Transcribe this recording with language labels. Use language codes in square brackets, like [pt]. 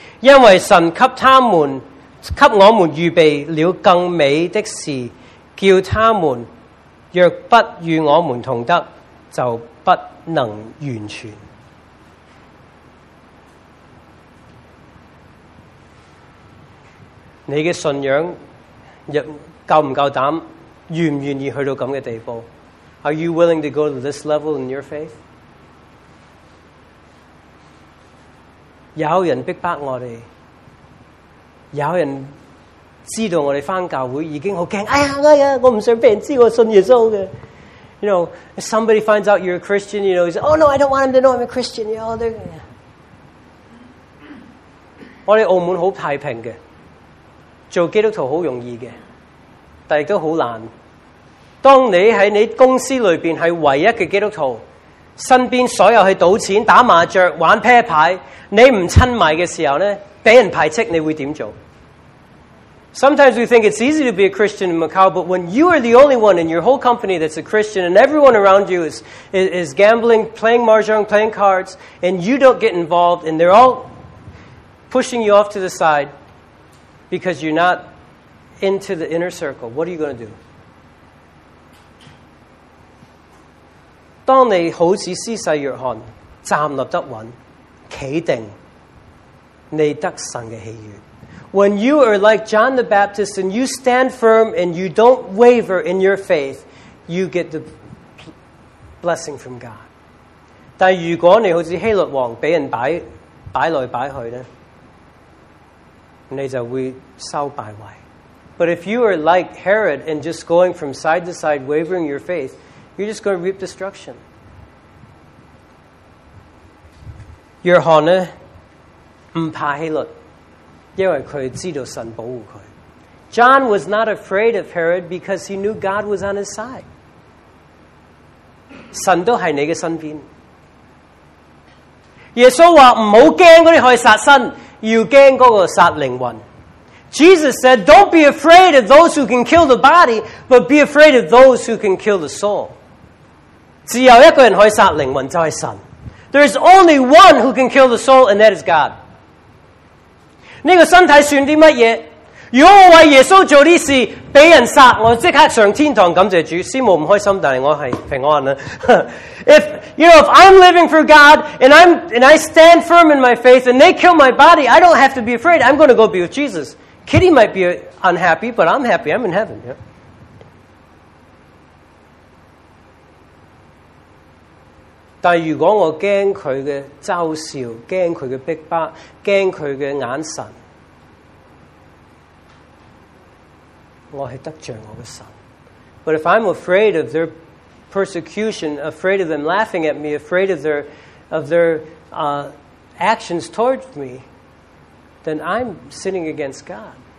[zh] 因为神给他们, 给我们预备了更美的事, 叫他们, 若不与我们同德, 就不能完全。你的信仰, 够不够胆, 愿不愿意去到这样的地步? [en] Are you willing to go to this level in your faith? [zh] 有人逼迫我们, 有人知道我们回教会已经很害怕, 哎呀, 我不想被人知道我信耶稣的。 [en] You know, if somebody finds out you're a Christian, you know, he's like, oh no, I don't want him to know I'm a Christian. You know, they're... [zh] 我们澳门很太平的, 做基督徒很容易的, 但也很难。当你在你公司里面是唯一的基督徒, 身边所有去赌钱、打麻将、玩啤牌, 你不亲迷的时候呢, 被人排斥, 你会怎么做? [en] Sometimes we think it's easy to be a Christian in Macau, but when you are the only one in your whole company that's a Christian and everyone around you is gambling, playing mahjong, playing cards, and you don't get involved, and they're all pushing you off to the side because you're not into the inner circle, what are you going to do? [zh] 当你好似施洗约翰, 站立得稳, 企定, 你得神的喜悦。 [en] When you are like John the Baptist and you stand firm and you don't waver in your faith, you get the blessing from God. [zh] 但如果你好似希律王被人摆来摆去呢, 你就会收败位。 [en] But if you are like Herod and just going from side to side, wavering your faith, you're just going to reap destruction. [zh] 约翰呢,不怕希律, 因为他知道神保护他。 [en] John was not afraid of Herod because he knew God was on his side. [zh] 神都在你的身边。耶稣说,不要怕那些可以杀身, 要怕那个杀灵魂。 [en] Jesus said, don't be afraid of those who can kill the body, but be afraid of those who can kill the soul. [zh] 只有一个人可以杀灵魂,就是神。 [en] There is only one who can kill the soul, and that is God. [zh] 那个身体算什么? 如果我为耶稣做这事, 被人杀, 我立刻上天堂, 感谢主, 师母不开心, 但是我是平安的。 [en] If, you know, if I'm living for God, and I stand firm in my faith, and they kill my body, I don't have to be afraid. I'm going to go be with Jesus. Kitty might be unhappy, but I'm happy. I'm in heaven. Yeah? [zh] 但如果我怕他的嘲笑, 怕他的逼迫, 怕他的眼神, 我是得罪我的神。 [en] But if I'm afraid of their persecution, afraid of them laughing at me, afraid of their of their actions towards me, then I'm sinning against God.